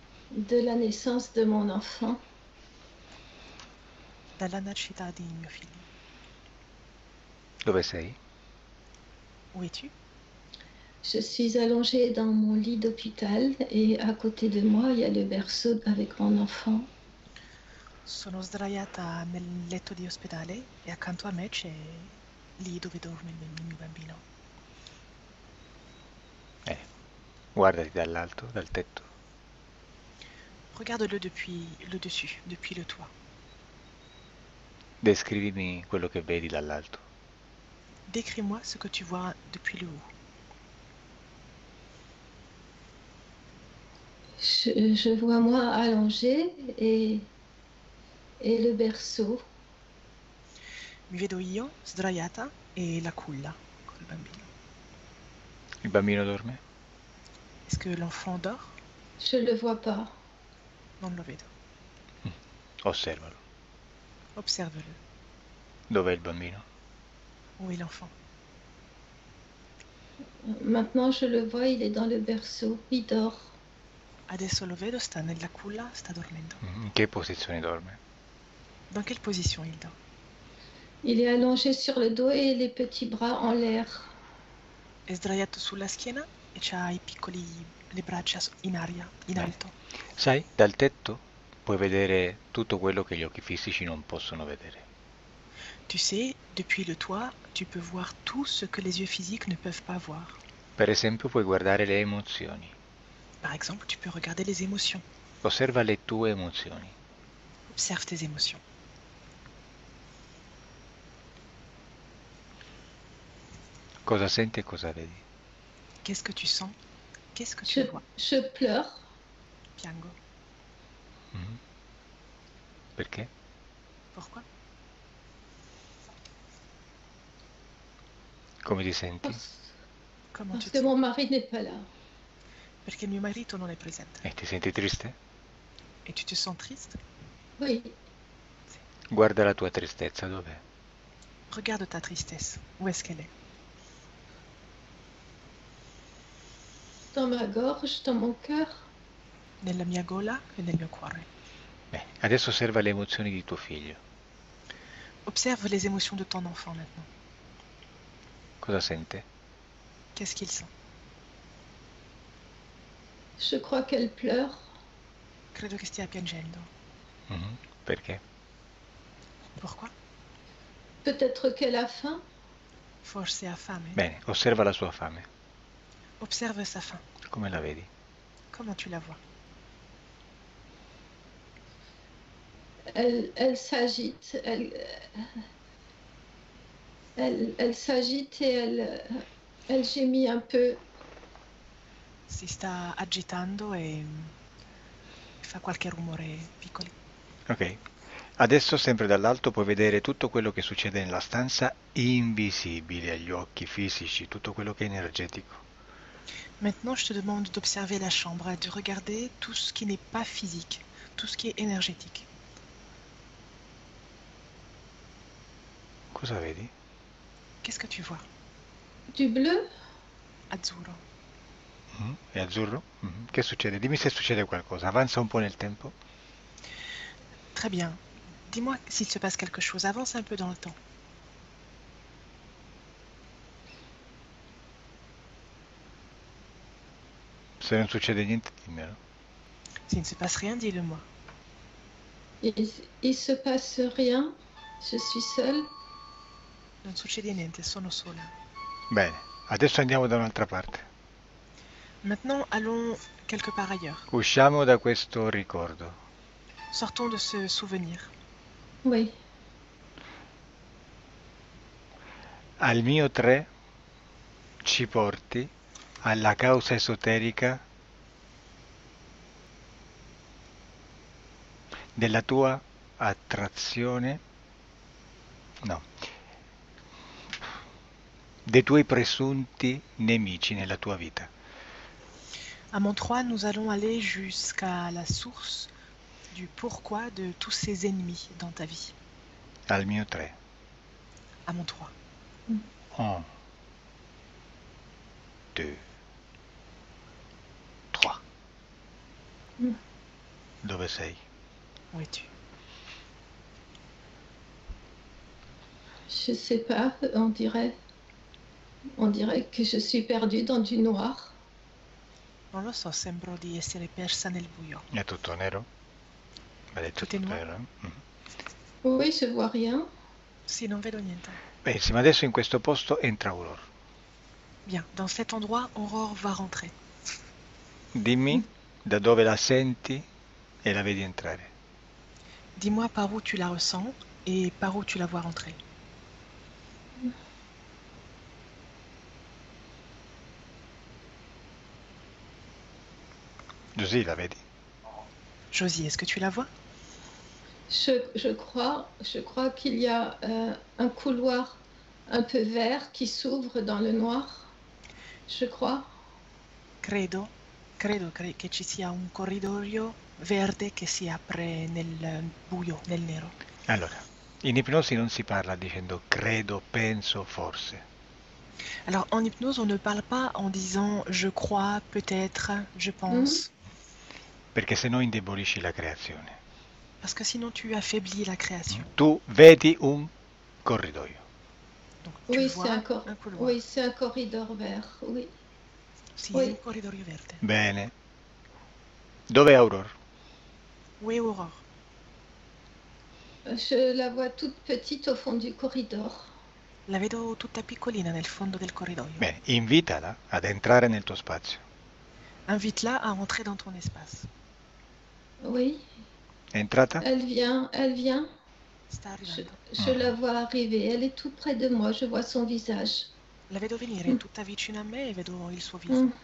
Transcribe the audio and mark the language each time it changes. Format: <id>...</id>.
<fr>De la naissance de mon enfant.</fr> <it>Dalla nascita di mio figlio. Dove sei?</it> <fr>Où es-tu? Je suis allongée dans mon lit d'hôpital et à côté de moi, il y a le berceau avec mon enfant.</fr> <it>Sono sdraiata nel letto di ospedale e accanto a me c'è lì dove dorme il mio bambino. Guardati dall'alto, dal tetto.</it> <fr>Regarde-le depuis le dessus, depuis le toit.</fr> <it>Descrivimi quello che vedi dall'alto.</it> <fr>Décris-moi ce que tu vois depuis le haut. Je vois moi allongée et le berceau.</fr> <it>Mi vedo io sdraiata e la culla col bambino. Il bambino dorme.</it> <fr>Est-ce que l'enfant dort? Je ne le vois pas.</fr> <it>Non lo vedo. Osservalo.</it> <fr>Observe-le.</fr> <it>Dov'è il bambino?</it> <fr>Où est l'enfant? Maintenant, je le vois, il est dans le berceau, il dort.</fr> <it>Adesso lo vedo, sta nella culla, sta dormendo. In che posizione dorme?</it> <fr>Dans quelle position il dort? Il est allongé sur le dos et les petits bras en l'air.</fr> <it>È sdraiato sulla schiena e ha i piccoli, le braccia in aria, in alto. Sai, dal tetto puoi vedere tutto quello che gli occhi fisici non possono vedere.</it> <fr>Tu sais, depuis le toit, tu peux voir tout ce que les yeux physiques ne peuvent pas voir.</fr> <it>Per esempio, puoi guardare le emozioni.</it> <fr>Par exemple, tu peux regarder les émotions.</fr> <it>Osserva le tue emozioni.</it> <fr>Observe tes émotions.</fr> <it>Cosa senti e cosa vedi?</it> <fr>Qu'est-ce que tu sens? Qu'est-ce que tu vois? Je pleure.</fr> <it>Piango. Perché?</it> <fr>Pourquoi?</fr> <it>Come ti senti?</it> <fr>Comment tu Parce que te sens? mon mari n'est pas là.</fr> <it>Perché mio marito non è presente. E ti senti triste?</it> <fr>Et tu te sens triste? Oui.</fr> <it>Guarda la tua tristezza, dov'è?</it> <fr>Regarde ta tristesse. Où est-ce qu'elle est? Dans ma gorge, dans mon cœur.</fr> <it>Nella mia gola e nel mio cuore. Adesso osserva le emozioni di tuo figlio.</it> <fr>Observe les émotions de ton enfant maintenant.</fr> <it>Cosa sente?</it> <fr>Qu'est-ce qu'il sent? Je crois qu'elle pleure.</fr> <it>Credo che stia piangendo. Perché?</it> <fr>Pourquoi? Peut-être qu'elle a faim.</fr> <it>Forse ha fame. Bene, osserva la sua fame.</it> <fr>Observe sa faim.</fr> <it>Come la vedi?</it> <fr>Comment tu la vois? Elle s'agite. Elle s'agite et elle gémit un peu.</fr> <it>Si sta agitando e fa qualche rumore piccoli. Ok, adesso sempre dall'alto puoi vedere tutto quello che succede nella stanza invisibile agli occhi fisici, tutto quello che è energetico.</it> <fr>Maintenant, je te demande d'observer la chambre et de regarder tout ce qui n'est pas physique, tout ce qui est énergétique.</fr> <it>Cosa vedi?</it> <fr>Qu'est-ce que tu vois? Du bleu?</fr> <it>Azzurro. È azzurro? Che succede? Dimmi se succede qualcosa. Avanza un po' nel tempo.</it> <fr>Très bien. Dis-moi s'il se passe quelque chose. Avance un peu dans le temps.</fr> <it>Se non succede niente, dimmelo.</it> <fr>S'il ne se passe rien, dis-le-moi. Il se passe rien. Je suis seule.</fr> <it>Non succede niente, sono sola. Bene, adesso andiamo da un'altra parte.</it> <fr>Maintenant, allons quelque part ailleurs.</fr> <it>Usciamo da questo ricordo.</it> <fr>Sortons de ce souvenir. Oui.</fr> <it>Al mio 3 ci porti alla causa esoterica della tua attrazione. No. Dei tuoi presunti nemici nella tua vita.</it> <fr>À mon 3, nous allons aller jusqu'à la source du pourquoi de tous ces ennemis dans ta vie.</fr> <it>Al mio 3.</it> <fr>À mon 3.</fr> <it>1, 2, 3. Dove sei?</it> <fr>Où es-tu? Je ne sais pas, on dirait que je suis perdue dans du noir.</fr> <it>Non lo so, sembro di essere persa nel buio. È tutto nero? Ma è</it> <fr>Tout est</fr> <it>tutto</it> <fr>noir?</fr> <it>nero?</it> <fr>Oui, je vois rien.</fr> <it>Sì, non vedo niente. Benissimo, adesso in questo posto entra un loro.</it> <fr>Bien, dans cet endroit, Aurore va rentrer.</fr> <it>Dimmi da dove la senti e la vedi entrare.</it> <fr>Dis-moi par où tu la ressens et par où tu la vois rentrer.</fr> <it>Giusy, la vedi?</it> <fr>Josie, est-ce que tu la vois? Je crois qu'il y a un couloir un peu vert qui s'ouvre dans le noir. Je crois.</fr> <it>Credo che ci sia un corridoio verde che si apre nel buio, nel nero. Allora, in ipnosi non si parla dicendo credo, penso, forse.</it> <fr>Alors, en hypnose, on ne parle pas en disant je crois, peut-être, je pense.</fr> <it>Perché sennò indebolisci la creazione.</it> <fr>Parce que sinon tu affaiblis la création.</fr> <it>Tu vedi un corridoio.</it> <fr>Donc tu Oui, c'est vois un un couloir. oui, c'est un corridor vert. Oui.</fr> <it>Sì,</it> <fr>Oui.</fr> <it>un corridoio Bene. verde. Dov'è Aurora?</it> <fr>Oui, Aurore. Je la vois toute petite au fond du corridor.</fr> <it>La vedo tutta piccolina nel fondo del corridoio. Bene, invitala ad entrare nel tuo spazio.</it> <fr>Invite-la à entrer dans ton espace. Oui.</fr> <it>Entrata?</it> <fr>Elle vient.</fr> <it>Sta arrivando.</it> <fr>Je la vois arriver. Elle est tout près de moi. Je vois son visage.</fr> <it>La vedo venire, è tutta vicino a me e vedo il suo viso.</it>